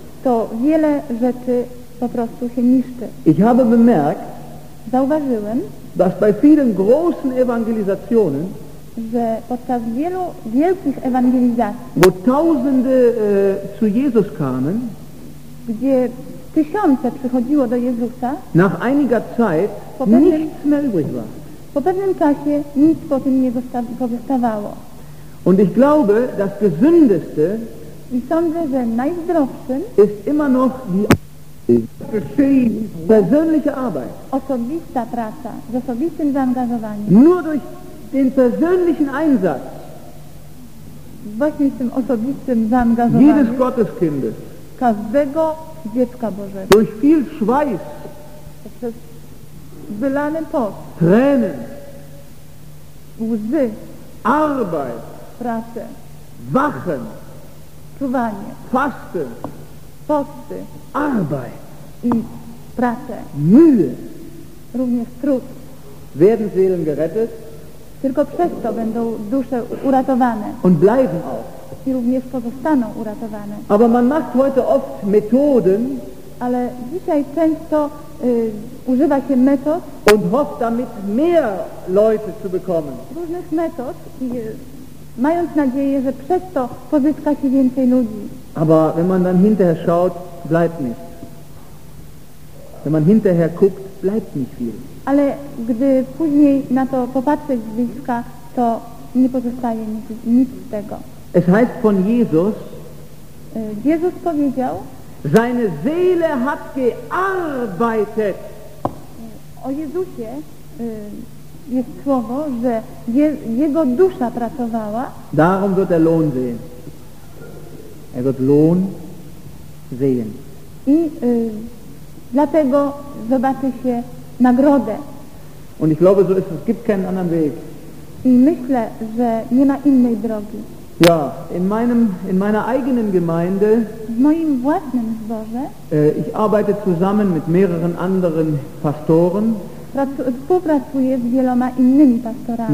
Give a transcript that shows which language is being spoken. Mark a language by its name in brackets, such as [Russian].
[Polish] To wiele rzeczy po prostu się niszczy. [German] Ich habe bemerkt, [Polish] zauważyłem, [German] dass bei vielen großen Evangelisationen, [Polish] że podczas wielu wielkich ewangelizacji, [German] wo tausende zu Jesus kamen, [Polish] gdzie tysiące przychodziło do Jezusa, [German] nach einiger Zeit nichts mehr übrig war. [Polish] Po pewnym czasie nic po tym nie pozostawało. [German] Und ich glaube, das Gesündeste, [Polish] i sądzę, że najzdrowszym [German] ist immer noch die persönliche Arbeit. [Polish] Osobista praca z osobistym zaangażowaniem. [German] Nur durch den persönlichen Einsatz. [Polish] Właśnie z tym osobistym zaangażowaniem. [German] Jedes Gotteskindes. [Polish] Każdego dziecka Bożego. [German] Durch viel Schweiß. [Polish] Przez wylany pot. [German] Tränen. [Polish] Łzy. [German] Arbeit. [Polish] Pracę. [German] Wachen. [Polish] Czuwanie. [German] Fasten. [Polish] Posty. [German] Arbeit. [Polish] I pracę. [German] Mühe. [Polish] Również trud. [German] Werden Seelen gerettet. [Polish] Tylko przez to będą dusze uratowane. [German] Und bleiben auch. [Polish] I również pozostaną uratowane. [German] Aber man macht heute oft Methoden. [Polish] Ale dzisiaj często używa się metod. [German] Und hofft damit mehr Leute zu bekommen. [Polish] Różnych metod i mając nadzieję, że przez to pozyska się więcej ludzi. [German] Aber wenn man dann hinterher schaut, bleibt nicht. Wenn man hinterher guckt, bleibt nicht viel. [Polish] Ale gdy później na to popatrzeć z bliska, to nie pozostaje nic z tego. [German] Es heißt von Jesus. [Polish] Jezus powiedział. [German] Seine Seele hat gearbeitet. [Polish] O Jezusie jest słowo, że jego dusza pracowała. [German] Darum wird der Lohn sehen. Er wird Lohn sehen. [Polish] I dlatego zobaczy się nagrodę. [German] Und ich glaube, so ist es. Es gibt keinen anderen Weg. [Polish] I myślę, że nie ma innej drogi. [German] Ja, in meiner eigenen Gemeinde. [Polish] W moim własnym zborze. [German] Ich arbeite zusammen mit mehreren anderen Pastoren. [Polish] Współpracuję z wieloma innymi pastorami.